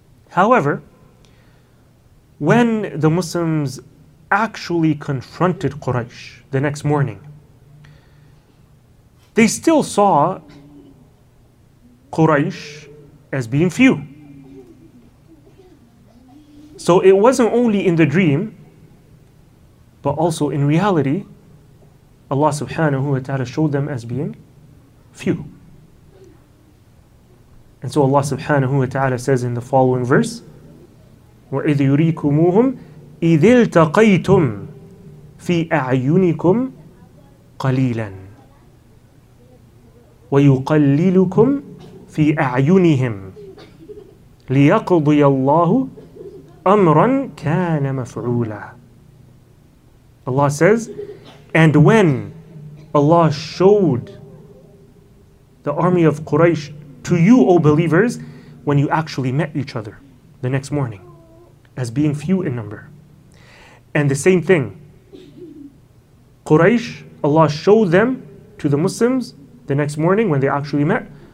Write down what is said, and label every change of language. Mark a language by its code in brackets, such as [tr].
[en] However, when the Muslims actually confronted Quraysh the next morning, they still saw Quraysh as being few. So it wasn't only in the dream, but also in reality, Allah subhanahu wa ta'ala showed them as being few. And so Allah subhanahu wa ta'ala says in the following verse, [ar] وَإِذْ يُرِيكُمُوهُمْ إِذِ الْتَقَيْتُمْ فِي أَعْيُنِكُمْ قَلِيلًا وَيُقَلِّلُكُمْ فِي أَعْيُنِهِمْ لِيَقْضِيَ اللَّهُ أَمْرًا كَانَ مَفْعُولًا. [en] Allah says, and when Allah showed the army of Quraysh to you, O believers, when you actually met each other the next morning as being few in number. And the same thing, Quraysh, Allah showed them to the Muslims the next morning when they actually met.